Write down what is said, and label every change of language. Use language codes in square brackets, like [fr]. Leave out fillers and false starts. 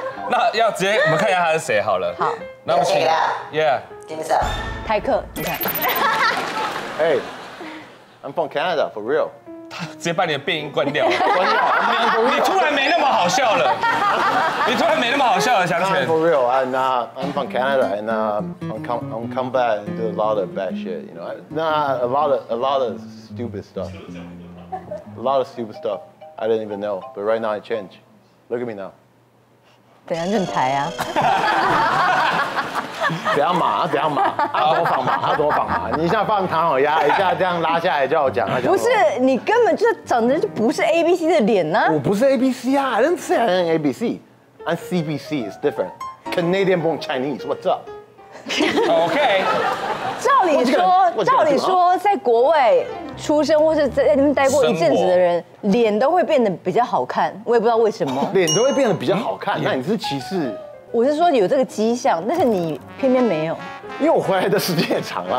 [zh] 那要直接我们看一下他是谁好了。好，那我们请。 [en] Yeah， [zh] 金色台客，你看。 [en] Hey， I'm from Canada for real。 [zh] 他直接把你的变音关掉，关掉。你突然没那么好笑了，你突然没那么好笑了，祥全。 [en] For real, I'm from Canada and I'm come back and do a lot of bad shit, you know. A lot of stupid stuff. I didn't even know, but right now I change. Look at me now. [zh] 等一下正台啊。不要马，他多放马，你一下放唐老鸭，一下这样拉下来叫我讲，不是你根本就长得就不是 A B C 的脸呢、啊。我不是 A B C 啊 [en] ，I didn't say I'm A B C， I'm C B C， it's different， Canadian born Chinese， what's up？ OK， [zh] 照理说，在国外出生或是在那边待过一阵子的人，脸都会变得比较好看，我也不知道为什么，脸都会变得比较好看，那你是歧视？我是说有这个迹象，但是你偏偏没有。因为我回来的时间也长啦、